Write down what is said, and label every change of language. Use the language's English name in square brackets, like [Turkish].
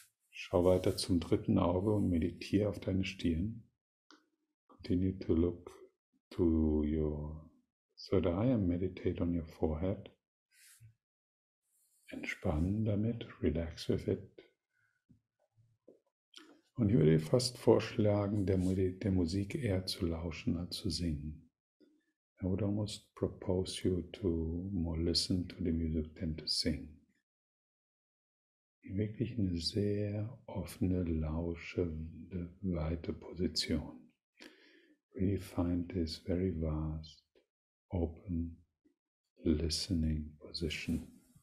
[German] Schau weiter zum dritten Auge und meditiere auf deine Stirn. [English] Continue to look to your third eye and meditate on your forehead. [German] Entspannen damit, [English] relax with it. [German] Und ich würde fast vorschlagen, der Musik eher zu lauschen als zu singen. [English] I would almost propose you to more listen to the music than to sing. [German] In wirklich eine sehr offene, lauschende, weite Position. [English] Really find this very vast, open, listening position.